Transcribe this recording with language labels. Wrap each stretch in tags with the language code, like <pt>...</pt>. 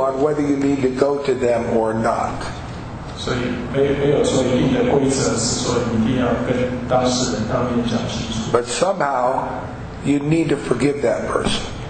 <en>on whether you need to go to them or not.</en> <zh>所以没有说一定的规则，是说一定要跟当事人当面讲清楚。</zh> <en>But somehow, you need to forgive that person.</en>